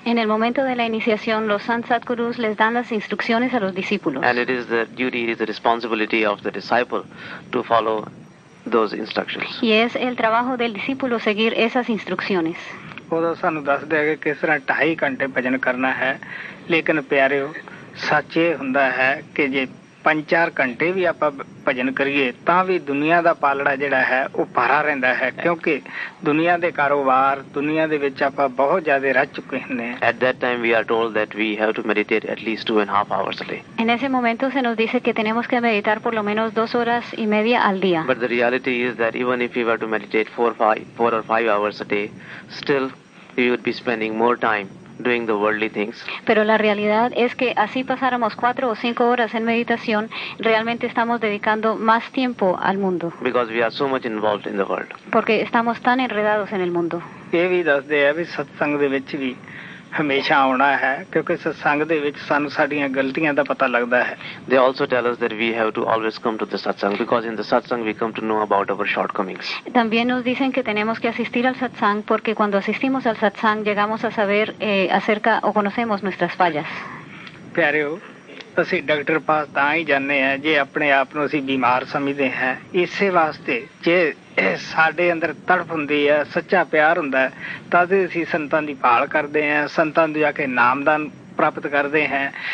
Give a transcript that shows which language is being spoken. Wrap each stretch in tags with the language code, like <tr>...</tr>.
<es>En el momento de la iniciación, los Sant Sadgurus les dan las instrucciones a los discípulos.</es> <en>And it is the duty, it is the responsibility of the disciple to follow those instructions.</en> <es>Y es el trabajo del discípulo seguir esas instrucciones.</es> <pa>ਉਹਦਾ ਸਾਨੂੰ ਦੱਸਦੇ ਹੈ ਕਿ ਕਿਸ ਤਰ੍ਹਾਂ 2.5 ਘੰਟੇ ਭਜਨ ਕਰਨਾ ਹੈ, ਲੇਕਿਨ ਪਿਆਰਿਓ ਸੱਚ ਇਹ ਹੁੰਦਾ ਹੈ ਕਿ ਜੇ 5-4 ਘੰਟੇ ਵੀ ਆਪਾਂ ਭਜਨ ਕਰੀਏ ਤਾਂ ਵੀ ਦੁਨੀਆਂ ਦਾ ਪਾਲੜਾ ਜਿਹੜਾ ਹੈ ਉਹ ਭਾਰਾ ਰਹਿੰਦਾ ਹੈ, ਕਿਉਂਕਿ ਦੁਨੀਆਂ ਦੇ ਕਾਰੋਬਾਰ, ਦੁਨੀਆਂ ਦੇ ਵਿੱਚ ਆਪਾਂ ਬਹੁਤ ਜ਼ਿਆਦਾ ਰਚ ਚੁੱਕੇ ਹੁੰਦੇ ਹਾਂ।</pa> <en>At that time we are told that we have to meditate at least 2.5 hours a day.</en> <es>En ese momento se nos dice que tenemos que meditar por lo menos 2.5 horas al día.</es> <en>But the reality is that even if we were to meditate 4 or 5 hours a day, still we would be spending more time doing the worldly things.</en> <es>Pero la realidad es que así pasáramos 4 or 5 horas en meditación, realmente estamos dedicando más tiempo al mundo.</es> <en>Because we are so much involved in the world.</en> <es>Porque estamos tan enredados en el mundo.</es> <pa>ਇਹ ਵੀ ਦੱਸਦੇ ਆ ਵੀ ਸਤਸੰਗ ਦੇ ਵਿੱਚ ਵੀ ਹਮੇਸ਼ਾ ਆਉਣਾ ਹੈ, ਕਿਉਂਕਿ ਸਤਸੰਗ ਦੇ ਵਿੱਚ ਸਾਨੂੰ ਸਾਡੀਆਂ ਗਲਤੀਆਂ ਦਾ ਪਤਾ ਲੱਗਦਾ ਹੈ।</pa> <en>They also tell us that we have to always come to the satsang because in the satsang we come to know about our shortcomings.</en> <es>También nos dicen que tenemos que asistir al satsang porque cuando asistimos al satsang llegamos a saber acerca o conocemos nuestras fallas.</es> <pa>ਪਿਆਰਿਓ, ਅਸੀਂ doctor ਪਾਸ ਤਾਂ ਹੀ ਜਾਂਦੇ ਹਾਂ ਜੇ ਆਪਣੇ ਆਪ ਨੂੰ ਅਸੀਂ ਬਿਮਾਰ ਸਮਝਦੇ ਹਾਂ। ਇਸੇ ਵਾਸਤੇ ਜੇ ਸਾਡੇ ਅੰਦਰ ਤੜਫ ਹੁੰਦੀ ਹੈ, ਸੱਚਾ ਪਿਆਰ ਹੁੰਦਾ, ਤਦ ਅਸੀਂ ਸੰਤਾਂ ਦੀ ਭਾਲ ਕਰਦੇ ਹਾਂ, ਸੰਤਾਂ ਨੂੰ ਜਾ ਕੇ ਨਾਮਦਾਨ ਪ੍ਰਾਪਤ ਕਰਦੇ ਹਾਂ।</pa>